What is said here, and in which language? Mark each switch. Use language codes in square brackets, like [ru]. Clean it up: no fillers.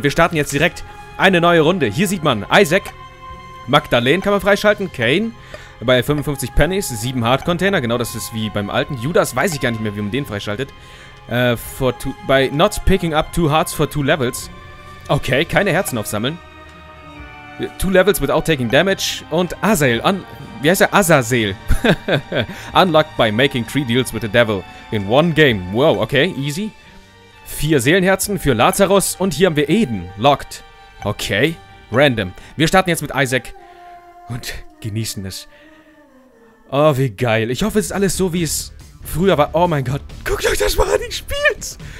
[de] Und wir starten jetzt direkt eine neue Runde. Hier sieht man Isaac, Magdalene kann man freischalten, Kane bei 55 Pennies, 7 Hard-Container, genau das ist wie beim alten. Judas, weiß ich gar nicht mehr, wie man den freischaltet. Bei [en] Not Picking Up 2 Hearts for 2 Levels. [de] Okay, keine Herzen aufsammeln. [en] 2 Levels without taking damage. Und Azael, [de] wie heißt er? [en] Azazel. Unlocked by making 3 deals with the devil in one game. Wow, okay, easy. [de] 4 Seelenherzen für Lazarus. Und hier haben wir Eden, locked. Okay, random. Wir starten jetzt mit Isaac und genießen es. Oh, wie geil. Ich hoffe, es ist alles so, wie es früher war. Oh mein Gott. Guckt euch das mal an, ich spiel's.